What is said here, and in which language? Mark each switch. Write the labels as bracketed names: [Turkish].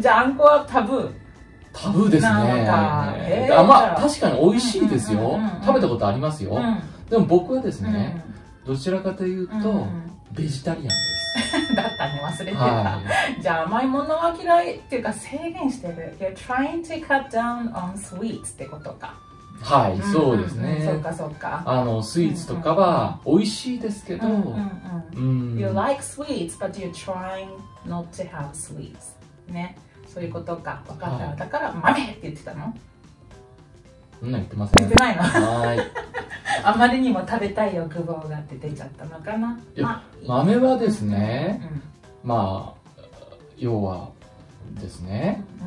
[Japanese] じゃあ、あんこはタブー。タブーですね。あ、まあ、確かに美味しいですよ。食べたことありますよ。うん、でも僕はですね、うん、どちらかというと、うん、ベジタリアンです。だったね、忘れてた。はい、じゃあ甘いものは嫌いっていうか制限してる。 [English] You're trying to cut down on sweets [Japanese] ってことか。はい、うん、そうですね。そうかそうか。あの、スイーツとかは美味しいですけど、うんうんうんうん、 [English] You like sweets, but you're trying not to have sweets. [Japanese] ね。そういうことか、分かった。だから豆って言ってたの。そんな言ってません。言ってないの。はい。あまりにも食べたい欲望がって出ちゃったのかな。まあ、豆はですね、うん、まあ要はですね、